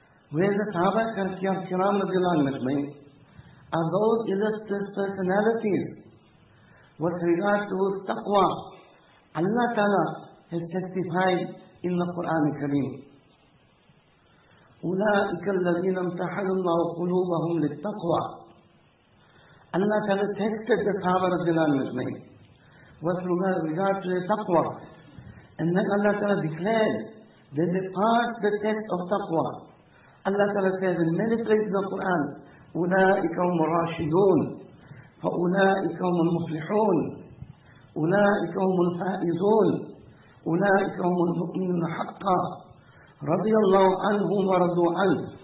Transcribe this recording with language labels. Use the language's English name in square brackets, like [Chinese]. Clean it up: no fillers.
[English] Where the Sahaba kiram radiallahu anhu are those illustrious personalities with regard to taqwa. Allah Ta'ala has testified in the Quran Kareem. [Arabic] أولئك الذين امتحن الله قلوبهم للتقوى. [English] Allah Ta'ala tested the Sahaba radiallahu anhu ajma'in with regard to the taqwa. And then Allah Ta'ala declared that they passed the test of taqwa. Allah Ta'ala says in many places of the Quran, [Arabic] أولئك هم الراشدون فأولئك هم المفلحون أولئك هم الفائزون أولئك هم المؤمنون حقا رضي الله عنهم ورضوا عنه.